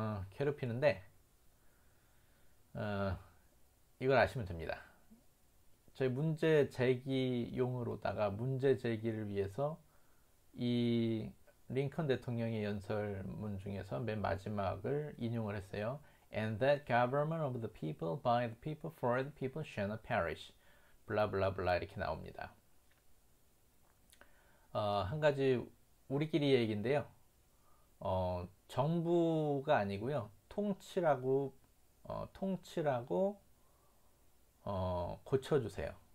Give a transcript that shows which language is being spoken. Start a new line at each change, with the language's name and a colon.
Korean: 괴롭히는데 이걸 아시면 됩니다. 저희 문제 제기용으로다가 문제 제기를 위해서 이 링컨 대통령의 연설문 중에서 맨 마지막을 인용을 했어요.
English: And that government of the people, by the people, for the people shall not perish.
Korean: 블라블라블라 이렇게 나옵니다. 한 가지 우리끼리 얘기인데요. 정부가 아니고요. 통치라고 고쳐주세요.